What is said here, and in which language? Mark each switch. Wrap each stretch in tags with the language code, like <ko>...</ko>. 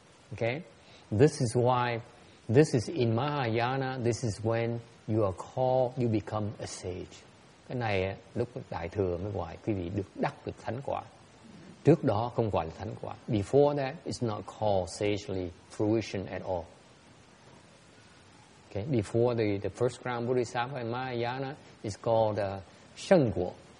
<en>Okay, this is in Mahayana, this is when you are called, you become a sage.</en> <vi>Cái này lúc đại thừa mới gọi quý vị được đắc được thánh quả. Trước đó không gọi là thánh quả.</vi> <en>Before that, it's not called sagely fruition at all. Okay, before the first ground Bodhisattva in Mahayana is called sheng guo.</en>